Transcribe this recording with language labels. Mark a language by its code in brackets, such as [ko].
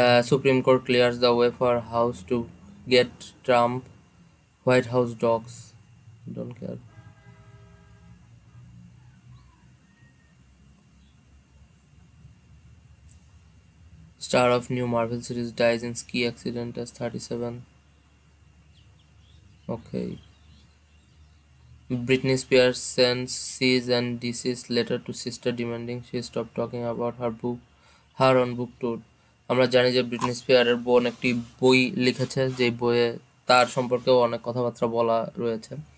[en] Supreme Court clears the way for House to get Trump, White House dogs don't care. Star of new Marvel series dies in ski accident as 37, okay. Britney Spears sends cease and desist letter to sister demanding she stop talking about her book, her own book tour. [bn] আমরা জানি যে Britney স্পিয়ারের বোন একটি বই লিখেছে, যে বইয়ে তার সম্পর্কেও অনেক কথাবার্তা বলা রয়েছে।